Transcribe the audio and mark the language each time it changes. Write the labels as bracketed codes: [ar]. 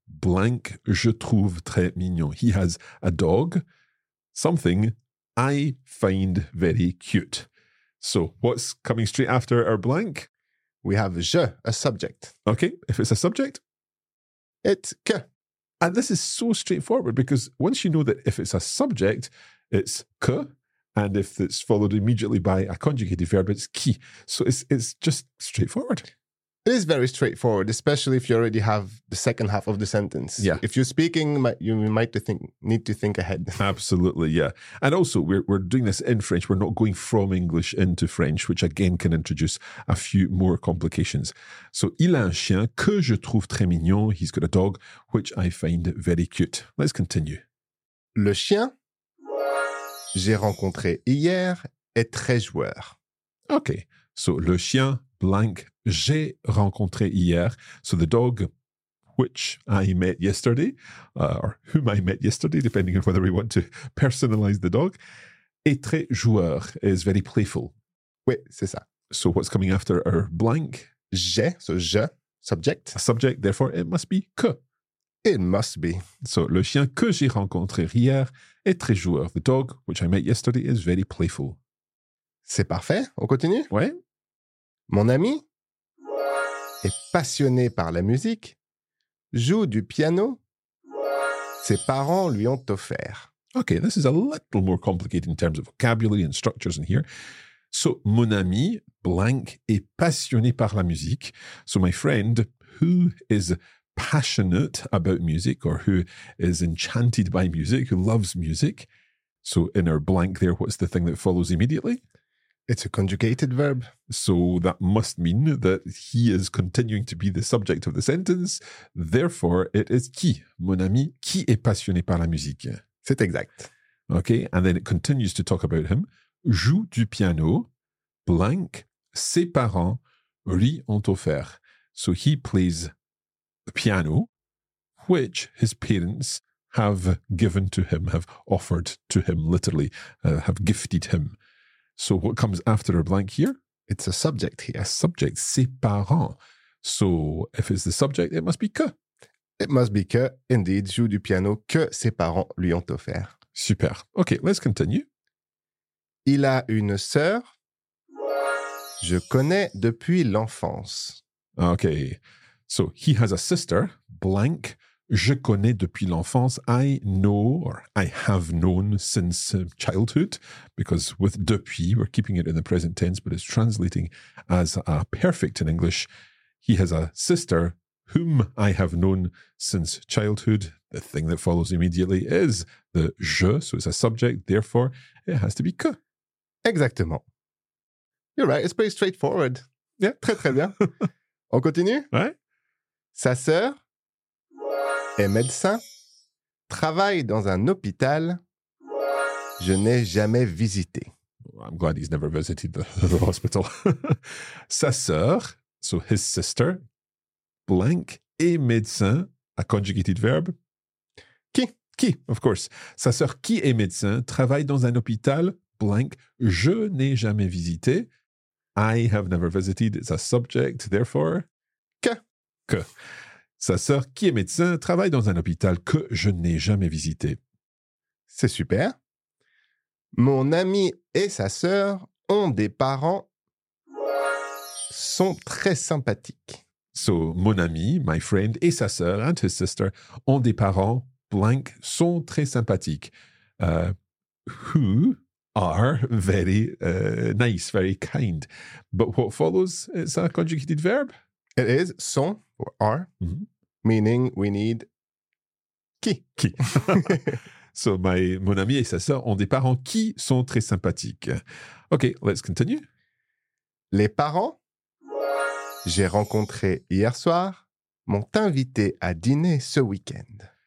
[fr] Blank, je trouve très mignon. [en] He has a dog, something I find very cute. So what's coming straight after our blank? We have je, a subject. Okay, if it's a subject? It's que. And this is so straightforward because once you know that if it's a subject, it's que, and if it's followed immediately by a conjugated verb, it's qui. So it's just straightforward. It is very straightforward, especially if you already have the second half of the sentence. Yeah. If you're speaking, you might need to think ahead. Absolutely, yeah. And also, we're doing this in French. We're not going from English into French, which again can introduce a few more complications. [fr] So, il a un chien que je trouve très mignon. [en] He's got a dog, which I find very cute. Let's continue. [fr] Le chien j'ai rencontré hier est très joueur. [en] Okay. So, le chien... [fr] blank, j'ai rencontré hier. [en] So the dog, which I met yesterday, or whom I met yesterday, depending on whether we want to personalize the dog, [fr] est très joueur, [en] is very playful. [fr] Oui, c'est ça. [en] So what's coming after our blank? [fr] J'ai, [en] so je, subject. A subject, therefore it must be que. It must be. So [fr] le chien que j'ai rencontré hier est très joueur. [en] The dog, which I met yesterday, is very playful. [fr] C'est parfait, on continue? Oui. Mon ami est passionné par la musique, joue du piano, ses parents lui ont offert. [en] Okay, this is a little more complicated in terms of vocabulary and structures in here. So, [fr] mon ami, blank, est passionné par la musique. [en] So, my friend, who is passionate about music or who is enchanted by music, who loves music. So, in our blank there, what's the thing that follows immediately? It's a conjugated verb. So that must mean that he is continuing to be the subject of the sentence. Therefore, it is [fr] qui, mon ami, qui est passionné par la musique? C'est exact. [en] Okay, and then it continues to talk about him. [fr] Joue du piano, blank, ses parents lui ont offert. [en] So he plays the piano, which his parents have given to him, have offered to him, literally, have gifted him. So what comes after a blank here? It's a subject here. A subject, ses parents. So if it's the subject, it must be que. It must be que, indeed, [fr] joue du piano que ses parents lui ont offert. [en] Super. Okay, let's continue. [fr] Il a une sœur. Je connais depuis l'enfance. [en] Okay, so he has a sister, blank. [fr] Je connais depuis l'enfance, [en] I know, or I have known since childhood, because with depuis, we're keeping it in the present tense, but it's translating as a perfect in English. He has a sister whom I have known since childhood. The thing that follows immediately is the je, so it's a subject, therefore it has to be que. [fr] Exactement. [en] You're right, it's pretty straightforward. Yeah, [fr] très très bien. On continue? [en] Right. [fr] Sa sœur est médecin, travaille dans un hôpital, je n'ai jamais visité. [en] I'm glad he's never visited the hospital. [fr] Sa sœur, [en] so his sister, blank, [fr] est médecin, [en] a conjugated verb. [fr] Qui, [en] of course. [fr] Sa sœur qui est médecin, travaille dans un hôpital, blank, je n'ai jamais visité. [en] I have never visited, it's a subject, therefore. [fr] Que. Sa sœur, qui est médecin, travaille dans un hôpital que je n'ai jamais visité. C'est super. Mon ami et sa sœur ont des parents sont très sympathiques. [en] So, [fr] mon ami, [en] my friend, [fr] et sa sœur, [en] and his sister, [fr] ont des parents, [en] blank, [fr] sont très sympathiques. [en] Who are very nice, very kind. But what follows, it's a conjugated verb. It is sont, or are, meaning we need qui. [fr] Qui. [en] So my [fr] mon ami et sa sœur ont des parents qui sont très sympathiques. [en] Okay, let's continue. [fr] Les parents, j'ai rencontré hier soir, m'ont invité à dîner ce week-end.